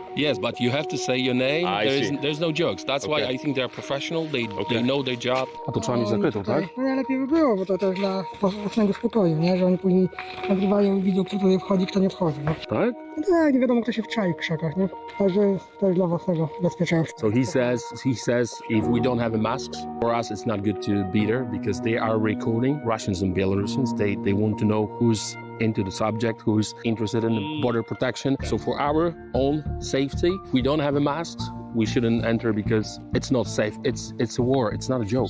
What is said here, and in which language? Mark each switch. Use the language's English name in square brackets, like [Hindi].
[English] Yes, but you have to say your name. There's no jokes. That's why I think they're professional. They know their job. [Polish] A to trzeba mieć zakrytą, tak? No ja lepiej by było, bo to też dla własnego spokoju, nie? Że oni później nagrywają wideo, kto tutaj wchodzi, kto nie wchodzi. No. Tak? No nie wiadomo, kto się wczai w krzakach, nie? Także też dla własnego bezpieczeństwa. [English] So he says if we don't have a mask, for us it's not good to be there, because they are recording Russians and Belarusians. They want to know who's into the subject, who's interested in the border protection. So for our own safety, we don't have a mask. We shouldn't enter because it's not safe. It's a war, it's not a joke.